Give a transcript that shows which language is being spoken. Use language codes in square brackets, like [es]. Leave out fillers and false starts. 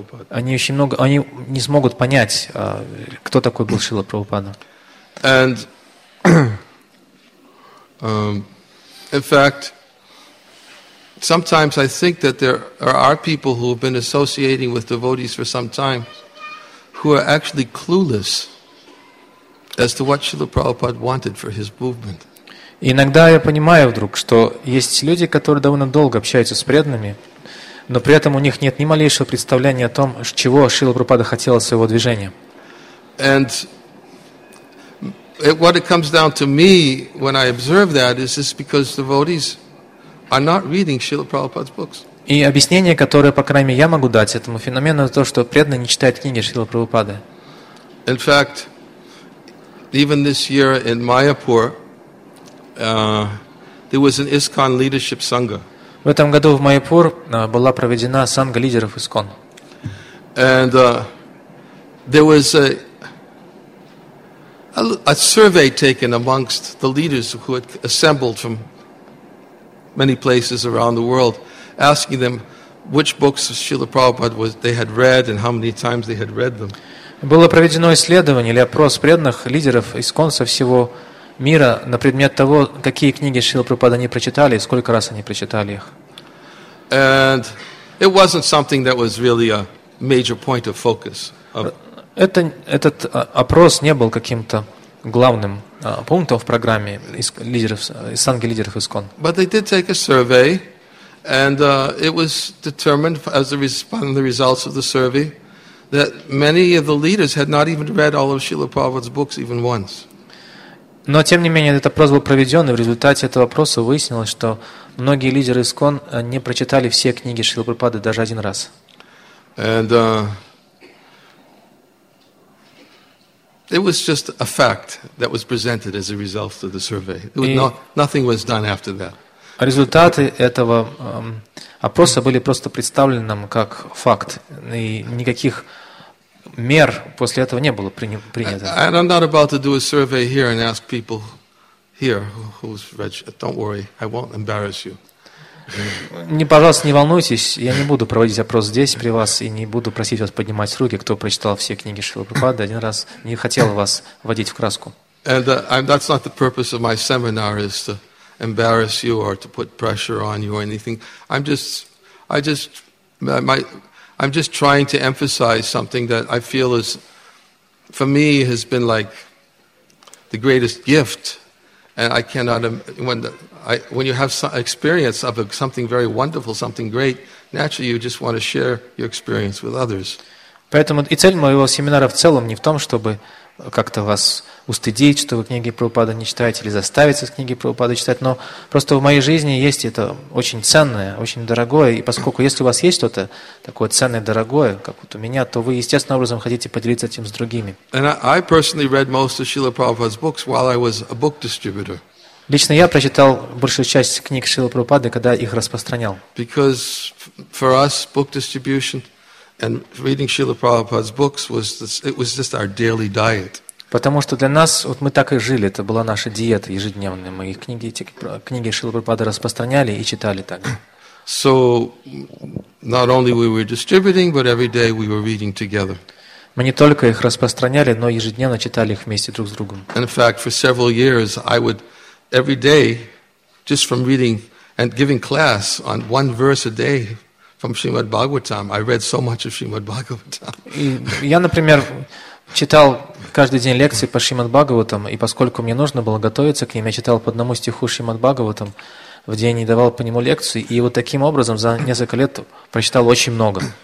[ru] Они не смогут понять, кто такой был Шрила Прабхупада. [en] In fact, sometimes I think that there are people who have been associating with devotees for some time who are actually clueless as to what Srila Prabhupada wanted for his movement. [ru] Иногда я понимаю вдруг, что есть люди, которые довольно долго общаются с преданными, но при этом у них нет ни малейшего представления о том, чего Шрила Прабхупада хотел от своего движения. [en] And what it comes down to me when I observe that is this because devotees are not reading Srila Prabhupada's books. [ru] И объяснение, которое, по крайней мере, я могу дать этому феномену, то, что преданные не читают книги Шрилы Прабхупады. [en] In fact, even this year in Mayapur, there was an ISKCON leadership sangha. [ru] В этом году в Майяпур была проведена санга лидеров ИСКОН. [en] And there was a survey taken amongst the leaders who had assembled from many places around the world, asking them which books of Srila Prabhupada they had read and how many times they had read them. [ru] Было проведено исследование или опрос преданных лидеров ИСКОН со всего мира на предмет того, какие книги Шрила Прабхупада они прочитали и сколько раз они прочитали их. [en] And it wasn't something that was really a major point of focus. [ru] Этот опрос не был каким-то главным пунктом в программе Санги лидеров ИСКОН. [en] But they did take a survey, and it was determined as a result of the results of the survey that many of the leaders had not even read all of Srila Prabhupada's books even once. [ru] Но тем не менее этот опрос был проведен, и в результате этого опроса выяснилось, что многие лидеры ИСКОН не прочитали все книги Шрилы Прабхупады даже один раз. [en] And, it was just a fact that was presented as a result of the survey. Nothing was done after that. [ru] Результаты этого опроса были просто представлены нам как факт, и никаких мер после этого не было принято. [en] And I'm not about to do a survey here and ask people here who's rich. Don't worry, I won't embarrass you. [ru] Не, пожалуйста, не волнуйтесь, я не буду проводить опрос здесь при вас и не буду просить вас поднимать руки, кто прочитал все книги Шрилы Прабхупады один раз, не хотел вас вводить в краску. [en] And that's not the purpose of my seminar is to embarrass you or to put pressure on you or anything. I'm just trying to emphasize something that I feel is for me has been like the greatest gift. And I cannot when you have some experience of something very wonderful, something great, naturally you just want to share your experience with others. [ru] Поэтому и цель моего семинара в целом не в том, чтобы как-то вас устыдить, что вы книги Прабхупады не читаете или заставиться книги Прабхупады читать, но просто в моей жизни есть это очень ценное, очень дорогое, и поскольку если у вас есть что-то такое ценное, дорогое, как вот у меня, то вы естественным образом хотите поделиться этим с другими. [en] And I personally read most of Srila Prabhupada's books while I was a book distributor. [ru] Лично я прочитал большую часть книг Шрилы Прабхупады, когда их распространял. [en] Because for us book distribution and reading Srila Prabhupada's books was just our daily diet. [ru] Потому что для нас, вот мы так и жили, это была наша диета ежедневная. Мы книги Шрилы Прабхупады распространяли и читали так. [en] So not only we were distributing, but every day we were reading together. [ru] Мы не только их распространяли, но ежедневно читали их вместе друг с другом. [en] In fact, for several years I would every day just from reading and giving class on one verse a day from Srimad Bhagavatam. I read so much of Srimad Bhagavatam. [ru] Я, например, читал каждый день лекции по Шримад Бхагаватам, и поскольку мне нужно было готовиться к ним, я читал по одному стиху Шримад Бхагаватам в день и давал по нему лекции, и вот таким образом за несколько лет прочитал очень много.